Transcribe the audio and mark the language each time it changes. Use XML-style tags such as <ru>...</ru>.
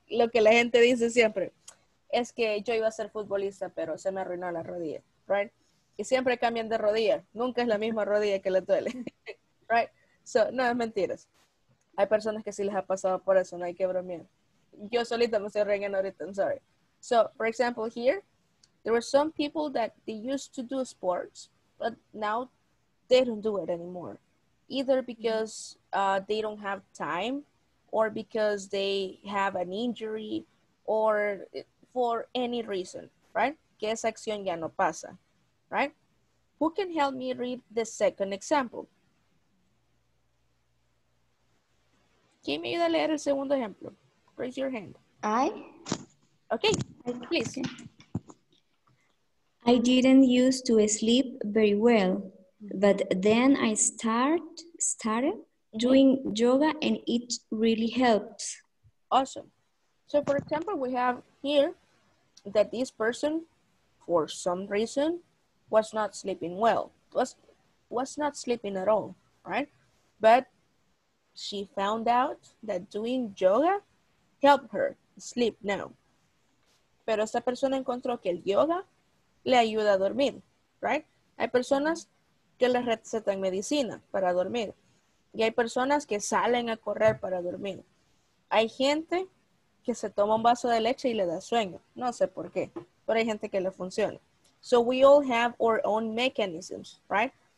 <es>Lo que la gente dice siempre es que yo iba a ser futbolista, pero se me arruinó la rodilla, right? Y siempre cambian de rodilla. Nunca es la misma rodilla que le duele, right? So, no, es mentiras. Hay personas que sí les ha pasado por eso, no hay que bromear. Yo solita me estoy riendo ahorita,</es> <en>I'm sorry. So, for example, here, there were some people that they used to do sports, but now they don't do it anymore. Either because they don't have time, or because they have an injury, or for any reason, right?</en> <es>Que esa acción ya no pasa,</es> <en>right? Who can help me read the second example?</en> <es>¿Quién me ayuda a leer el segundo ejemplo?</es> <en>Raise your hand. I. Okay, please. I didn't used to sleep very well, but then I started doing yoga, and it really helped. Awesome. So for example, we have here that this person, for some reason, was not sleeping well. Was not sleeping at all, right? But she found out that doing yoga helped her sleep now.</en> <es>Pero esta persona encontró que el yoga le ayuda a dormir, right? Hay personas que les recetan medicina para dormir. Y hay personas que salen a correr para dormir. Hay gente que se toma un vaso de leche y le da sueño. No sé por qué, pero hay gente que le funciona.</es> <en>So we all have our own mechanisms, right?</en>